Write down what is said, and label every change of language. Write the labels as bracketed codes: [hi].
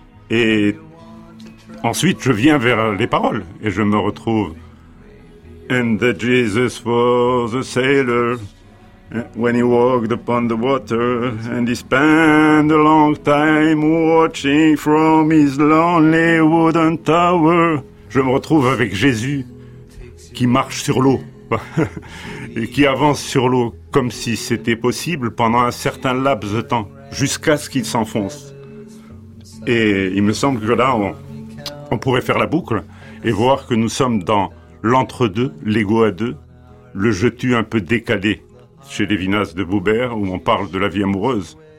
[fr] Et ensuite, je viens vers les paroles et je me retrouve. [en] And that Jesus was a sailor when he walked upon the water, and he spent a long time watching from his lonely wooden tower. [fr] Je me retrouve avec Jésus qui marche sur l'eau et qui avance sur l'eau comme si c'était possible pendant un certain laps de temps jusqu'à ce qu'il s'enfonce. Et il me semble que là, on pourrait faire la boucle et voir que nous sommes dans l'entre-deux, l'ego à deux, le je-tu un peu décalé chez Lévinas de Boubert, où on parle de la vie amoureuse.